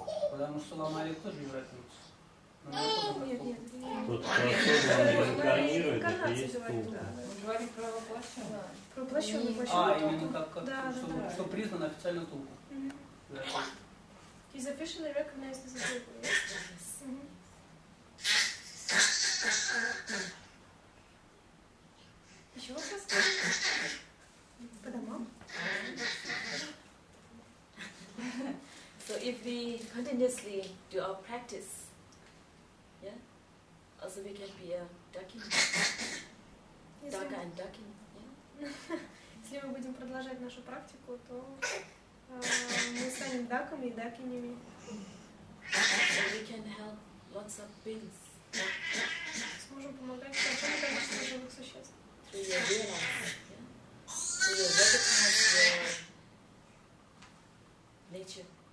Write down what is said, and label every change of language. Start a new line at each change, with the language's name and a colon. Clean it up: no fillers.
Russian: Потому что ломарик тоже европейцы. Тут просто он реинкарнирует, это и есть тулка. Он говорит про воплощенную. Про воплощенную тулку. А, именно как тулку, что признан официально тулку.
English: He's officially recognized as a tulku.
Russian: Еще вопрос? По домам?
English: So if we continuously do our practice, yeah, also we can be a ducking, duck and ducking, yeah.
Russian: Если мы будем продолжать нашу практику, то мы станем даками и дакинями.
English: So we can help lots of beings.
Russian: Сможем помогать большому количеству живых существ.
English: Through your realize, yeah. Through your recognize your nature.